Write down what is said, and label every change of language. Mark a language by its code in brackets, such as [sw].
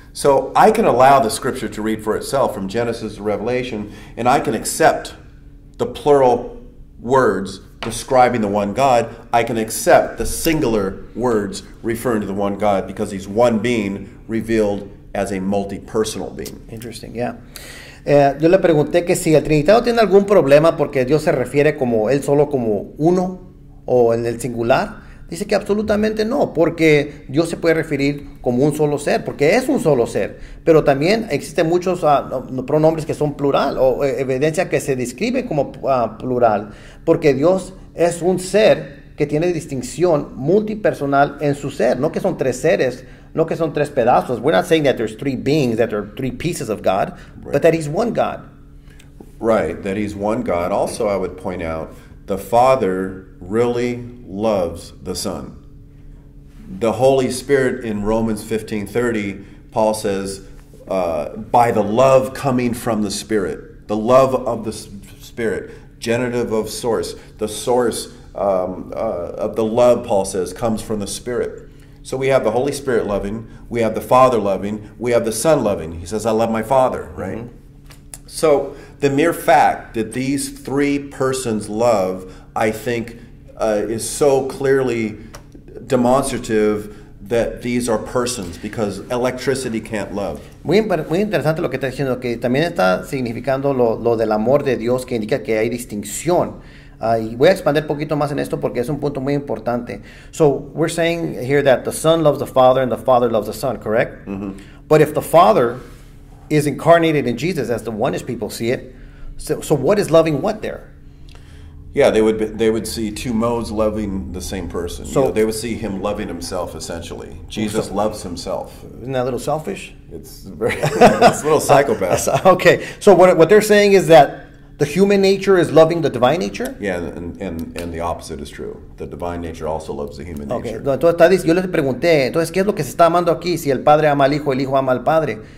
[en] So I can allow the scripture to read for itself from Genesis to Revelation, and I can accept the plural words describing the one God. I can accept the singular words referring to the one God because he's one being revealed as a multipersonal being. Interesting, yeah. [es] Yo le pregunté que si el Trinitario tiene algún problema porque Dios se refiere como él solo como uno o en el singular. Dice que absolutamente no, porque Dios se puede referir como un solo ser, porque es un solo ser. Pero también existen muchos pronombres que son plural o evidencia que se describe como plural, porque Dios es un ser que tiene distinción multipersonal en su ser, no que son tres seres, no que son tres pedazos. [en] We're not saying that there's three beings, that there are three pieces of God, right, but that he's one God. Right, that he's one God. Also, I would point out, the Father really loves the Son. The Holy Spirit in Romans 15:30, Paul says, by the love coming from the Spirit, the love of the Spirit, generative of source, the source of the love, Paul says, comes from the Spirit. So we have the Holy Spirit loving, we have the Father loving, we have the Son loving. He says, I love my Father, right? Mm-hmm. So the mere fact that these three persons love, I think, is so clearly demonstrative that these are persons, because electricity can't love. [es] Muy interesante lo que está diciendo, que también está significando lo del amor de Dios, que indica que hay distinción. Y voy a expandir un poquito más en esto porque es un punto muy importante. [en] So we're saying here that the Son loves the Father and the Father loves the Son, correct? Mm-hmm. But if the Father is incarnated in Jesus, as the Oneness people see it, so what is loving what there? Yeah, they would see two modes loving the same person. So, you know, they would see him loving himself, essentially. Jesus loves himself. Isn't that a little selfish? It's a little psychopath. Okay, so what they're saying is that the human nature is loving the divine nature? Yeah, and the opposite is true. The divine nature also loves the human nature. [es] Okay, entonces yo les pregunté, entonces, ¿qué es lo que se está amando aquí? Si el Padre ama al Hijo, el Hijo ama al Padre.